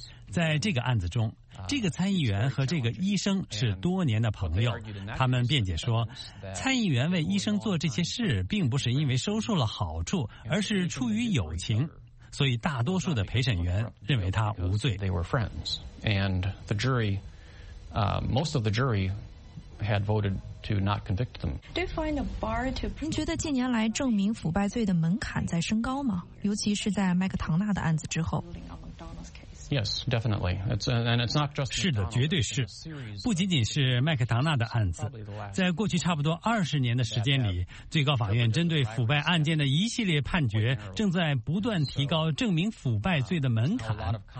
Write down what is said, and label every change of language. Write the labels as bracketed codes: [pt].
[zh] 在这个案子中，这个参议员和这个医生是多年的朋友，他们辩解说参议员为医生做这些事并不是因为收受了好处，而是出于友情，所以大多数的陪审员认为他无罪。 [en] They were friends and the jury most of the jury had voted to not convict them. [zh] 您觉得近年来证明腐败罪的门槛在升高吗？尤其是在麦克唐纳的案子之后。 [en] Yes, definitely. It's not just. [zh] 是的，绝对是。不仅仅是麦克唐纳的案子，在过去差不多20年的时间里，最高法院针对腐败案件的一系列判决，正在不断提高证明腐败罪的门槛。